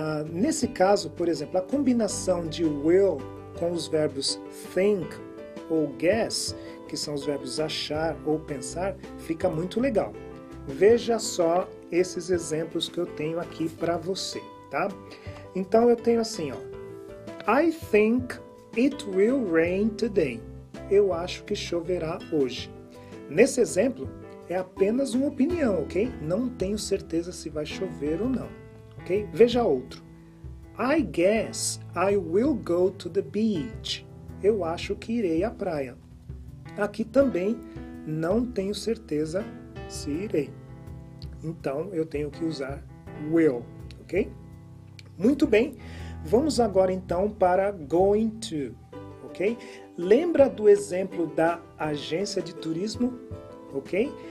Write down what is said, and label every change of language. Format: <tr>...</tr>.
<pt>Nesse caso, por exemplo, a combinação de will com os verbos think ou guess, que são os verbos achar ou pensar, fica muito legal. Veja só esses exemplos que eu tenho aqui para você, tá? Então, eu tenho assim, ó.</pt> <en>I think it will rain today.</en> <pt>Eu acho que choverá hoje. Nesse exemplo, é apenas uma opinião, ok? Não tenho certeza se vai chover ou não, ok? Veja outro.</pt> <en>I guess I will go to the beach.</en> <pt>Eu acho que irei à praia. Aqui também não tenho certeza se irei. Então, eu tenho que usar will, ok? Muito bem. Vamos agora, então, para going to, ok? Lembra do exemplo da agência de turismo, ok?</pt>